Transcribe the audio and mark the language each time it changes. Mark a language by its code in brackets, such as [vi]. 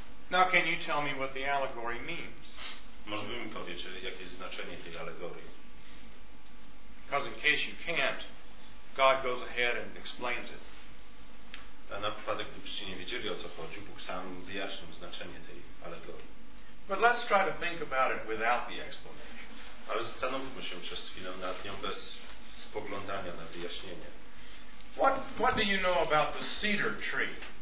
[en] Now can you tell me what the allegory means? [pl] Może by mi powiedzieć, jakie jest znaczenie tej alegorii? [en] Because in case you can't, God goes ahead and explains it. [pl] A na przypadek, gdybyście nie wiedzieli, o co chodzi, Bóg sam wyjaśnił znaczenie tej alegorii. [en] But let's try to think about it without the explanation. [pl] Ale zastanówmy się przez chwilę nad nią bez spoglądania na wyjaśnienie. [en] What do you know about the cedar tree?